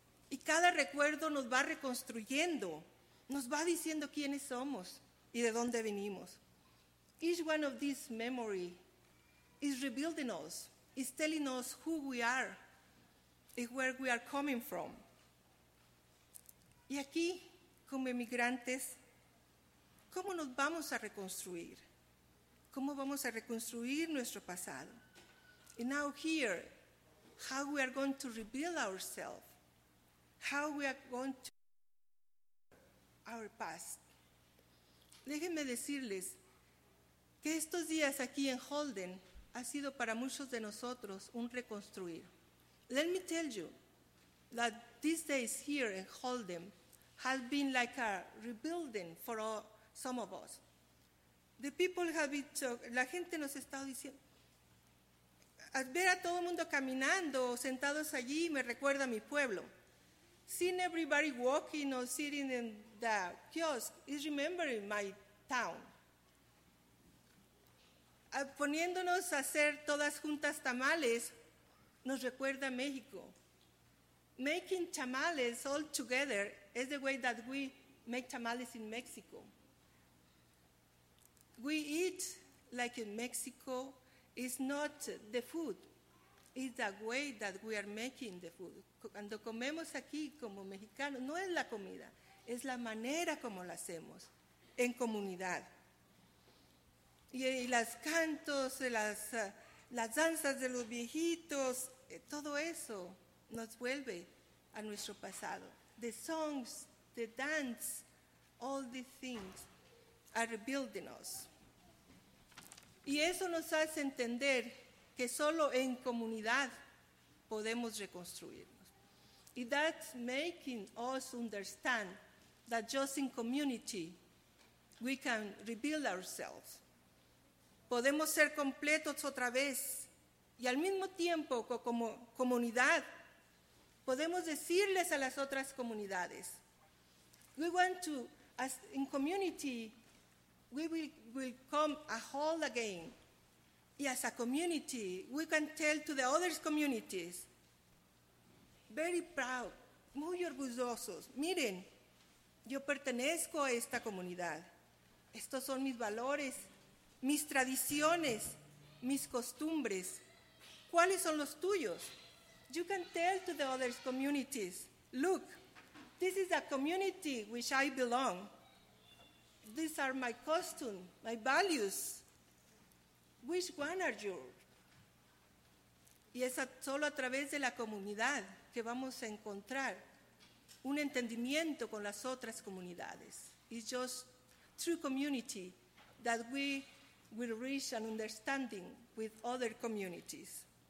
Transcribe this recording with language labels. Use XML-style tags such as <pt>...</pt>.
<es>Y cada recuerdo nos va reconstruyendo, nos va diciendo quiénes somos y de dónde venimos.</es> <en>Each one of these memories is rebuilding us, is telling us who we are and where we are coming from.</en> <es>Y aquí, como emigrantes, ¿cómo nos vamos a reconstruir? ¿Cómo vamos a reconstruir nuestro pasado?</es> <en>And now here, how we are going to rebuild ourselves. How we are going to our past.</en> <es>Déjenme decirles que estos días aquí en Holden ha sido para muchos de nosotros un reconstruir.</es> <en>Let me tell you that these days here in Holden has been like a rebuilding for all, some of us. The people have been talking,</en> <es>la gente nos ha estado diciendo, al ver a todo el mundo caminando o sentados allí me recuerda a mi pueblo.</es> <en>Seeing everybody walking or sitting in the kiosk is remembering my town.</en> <es>Poniéndonos a hacer todas juntas tamales nos recuerda a México.</es> <en>Making tamales all together is the way that we make tamales in Mexico. We eat like in Mexico. It's not the food. It's the way that we are making the food.</en> <es>Cuando comemos aquí como mexicanos, no es la comida, es la manera como la hacemos, en comunidad. Y los cantos, las danzas de los viejitos, todo eso nos vuelve a nuestro pasado.</es> <en>The songs, the dance, all these things are rebuilding us.</en> <es>Y eso nos hace entender que solo en comunidad podemos reconstruir.</es> <en>And that's making us understand that just in community we can rebuild ourselves.</en> <es>Podemos ser completos otra vez y al mismo tiempo como comunidad podemos decirles a las otras comunidades.</es> <en>We want to, as in community, we will come a whole again. Y as a community, we can tell to the other communities. Very proud,</en> <es>muy orgullosos. Miren, yo pertenezco a esta comunidad. Estos son mis valores, mis tradiciones, mis costumbres. ¿Cuáles son los tuyos?</es> <en>You can tell to the other communities, look, this is a community which I belong. These are my costumes, my values. Which one are yours?</en> <es>Y es solo a través de la comunidad que vamos a encontrar un entendimiento con las otras comunidades.</es> <en>It's just through community that we will reach an understanding with other communities.</en>